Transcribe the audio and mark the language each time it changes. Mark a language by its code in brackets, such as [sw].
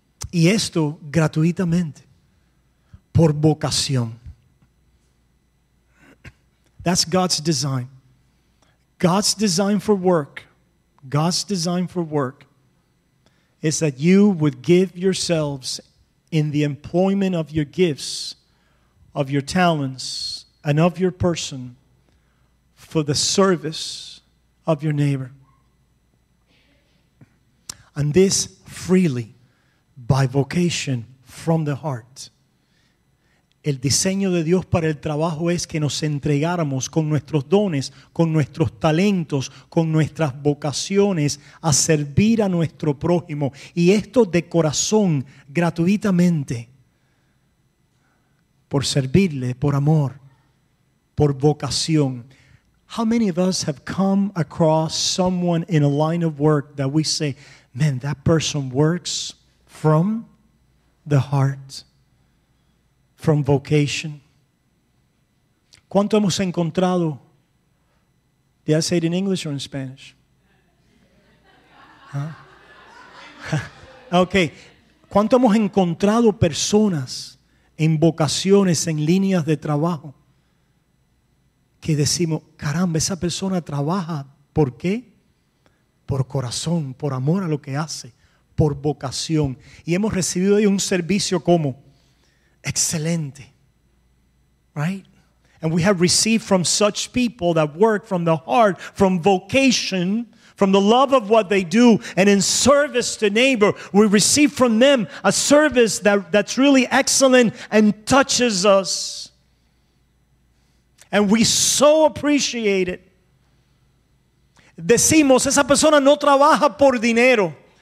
[es] Y esto gratuitamente, por vocación. [en] That's God's design. God's design for work, God's design for work is that you would give yourselves in the employment of your gifts, of your talents, and of your person for the service of your neighbor. And this freely, by vocation, from the heart. [es] El diseño de Dios para el trabajo es que nos entregáramos con nuestros dones, con nuestros talentos, con nuestras vocaciones a servir a nuestro prójimo. Y esto de corazón, gratuitamente, por servirle, por amor, por vocación. [en] How many of us have come across someone in a line of work that we say, man, that person works from the heart? From vocation. [es] ¿Cuánto hemos encontrado? [en] Did I say it in English or in Spanish? Huh? Okay. [es] ¿Cuánto hemos encontrado personas en vocaciones, en líneas de trabajo, que decimos, caramba, esa persona trabaja, ¿por qué? Por corazón, por amor a lo que hace, por vocación. Y hemos recibido ahí un servicio como excelente, right? [en] And we have received from such people that work from the heart, from vocation, from the love of what they do, and in service to neighbor, we receive from them a service that's really excellent and touches us. And we so appreciate it. [es] Decimos, esa persona no trabaja por dinero.